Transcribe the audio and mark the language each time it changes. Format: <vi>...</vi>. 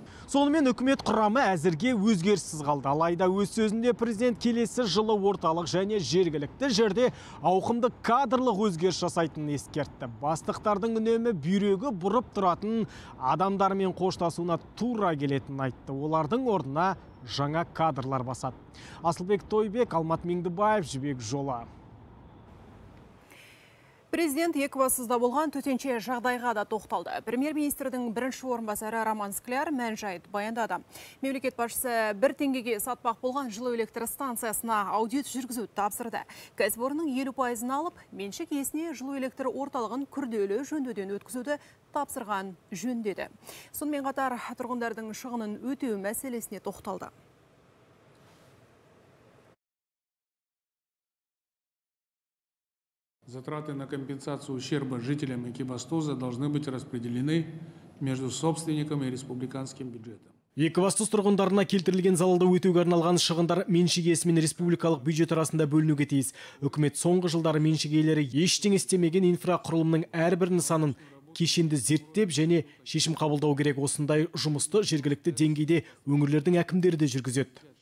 <kk>Сонымен үкімет құрамы әзірге өзгерсіз қалды. Алайда өз сөзінде президент келесі жылы орталық және жергілікті жерде ауқымды кадрлық өзгеріс жасайтынын ескертті. Бастықтардың үнемі бүйрегі бұрып тұратын адамдармен қоштасуына тура келетін айтты. Олардың орнына жаңа кадрлар басады. Асылбек Тойбек, Алмат Меңдібаев, Жібек Жолы. Президент Еквасызда болған төтенше жағдайға да тоқталды. Премьер-министрдің бірінші орынбасары Роман Скляр мән-жайды баяндады. Мемлекет басшысы бір теңгеге сатпақ болған жылу электр станциясына аудит жүргізу тапсырды. Кәсіпорынның 50% алып, меншік иесіне жылу электр орталығын күрделі жөндеуден өткізуді тапсырған жөндеді. Сонымен қатар тұрғындардың шығынын өтеу мәселесіне тоқталды.</kk> <ru>Затраты на компенсацию ущерба жителям Екібастуза должны быть распределены между собственником и республиканским бюджетом.</ru> <kk>Екібастуз тұрғындарына келтірілген залалды өтеуге арналған шығындар меншік иесі мен республикалық бюджет арасында бөлінуге тиіс. Үкімет соңғы жылдары меншік иелері ештеңе істемеген инфрақұрылымның әрбір нысанын кешенді зерттеп және шешім қабылдау керек. Осындай жұмысты жергілікті деңгейде өңірлердің әкімдері де жүргізеді.</kk>